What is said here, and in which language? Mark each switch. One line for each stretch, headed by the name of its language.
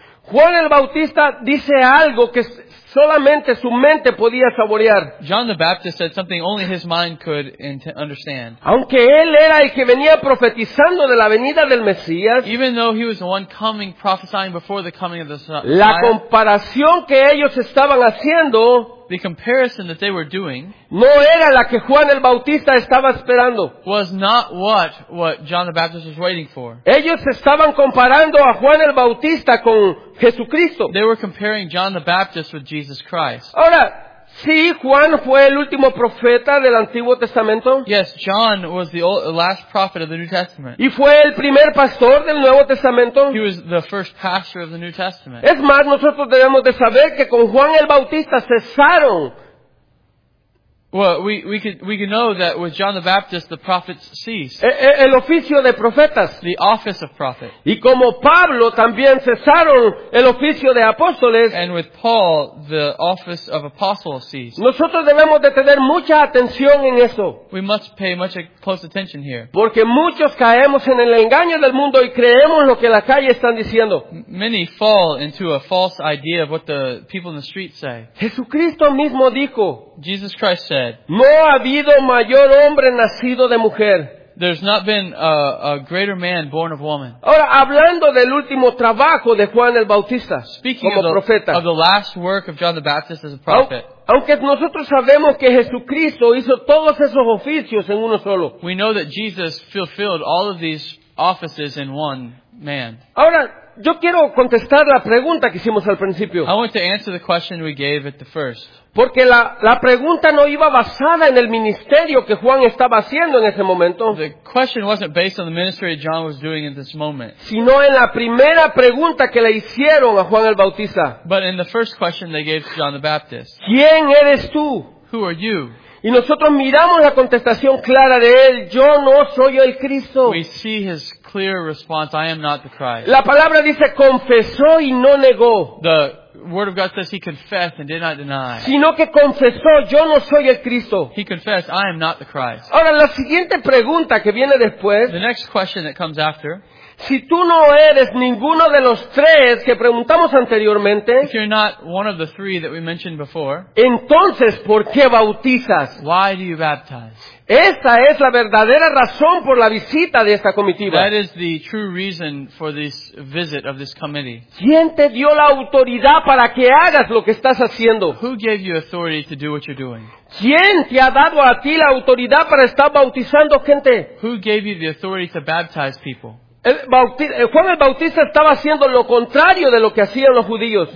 Spanish: Juan el Bautista dice algo que solamente su mente podía saborear.
English: John the Baptist said something only his mind could understand.
Spanish: Aunque él era el que venía profetizando de la venida del Mesías,
English: even though he was the one coming prophesying before the coming of the Messiah,
Spanish: la comparación que ellos estaban haciendo,
English: the comparison that they were doing,
Spanish: no era la que Juan el Bautista estaba esperando.
English: Was not what John the Baptist was waiting for.
Spanish: Ellos estaban comparando a Juan el Bautista con Jesucristo.
English: They were comparing John the Baptist with Jesus Christ.
Spanish: Ahora, sí, Juan fue el último profeta del Antiguo Testamento.
English: Yes, John was the last prophet of the New Testament.
Spanish: Y fue el primer pastor del Nuevo Testamento.
English: He was the first pastor of the New Testament.
Spanish: Es más, nosotros debemos de saber que con Juan el Bautista cesaron.
English: Well, we can know that with John the Baptist, the prophets ceased.
Spanish: El oficio de profetas.
English: The office of prophet.
Spanish: Y como Pablo también cesaron el oficio de apóstoles.
English: And with Paul, the office of apostle ceased.
Spanish: Nosotros debemos de tener mucha atención en eso.
English: We must pay much close attention here.
Spanish: Porque muchos caemos en el engaño del mundo y creemos lo que la calle están diciendo.
English: Many fall into a false idea of what the people in the street say.
Spanish: Jesucristo mismo dijo.
English: Jesus Christ said,
Spanish: no ha habido mayor hombre nacido de mujer.
English: There's not been a greater man born of woman.
Spanish: Ahora, hablando del último trabajo de Juan el Bautista,
English: speaking
Spanish: como profeta,
English: of the last work of John the Baptist as a prophet.
Spanish: Aunque nosotros sabemos que Jesucristo hizo todos esos oficios en uno solo.
English: We know that Jesus fulfilled all of these offices in one man.
Spanish: Ahora, yo quiero contestar la pregunta que hicimos al principio.
English: I want to answer the question we gave at the first.
Spanish: Porque la pregunta no iba basada en el ministerio que Juan estaba haciendo en ese momento.
English: The question wasn't based on the ministry John was doing at this moment.
Spanish: Sino en la primera pregunta que le hicieron a Juan el Bautista.
English: But in the first question they gave to John the Baptist.
Spanish: ¿Quién eres tú?
English: Who are you?
Spanish: Y nosotros miramos la contestación clara de él. Yo no soy el Cristo.
English: We see his clear response. I am not the Christ.
Spanish: La palabra dice confesó y no negó.
English: The word of God says he confessed and did not deny.
Spanish: Sino que confesó, yo no soy el Cristo.
English: He confessed, I am not the Christ.
Spanish: Ahora, la siguiente pregunta que viene después.
English: The next question that comes after.
Spanish: Si tú no eres ninguno de los tres que preguntamos anteriormente,
English: if you're not one of the three that we mentioned before,
Spanish: entonces, ¿por qué bautizas?
English: Why do you baptize?
Spanish: Esta es la verdadera razón por la visita de esta comitiva.
English: That is the true reason for this visit of this committee.
Spanish: ¿Quién te dio la autoridad para que hagas lo que estás haciendo?
English: Who gave you authority to do what you're doing?
Spanish: ¿Quién te ha dado a ti la autoridad para estar bautizando gente?
English: Who gave you the authority to baptize people?
Spanish: Juan el Bautista estaba haciendo lo contrario de lo que hacían los judíos.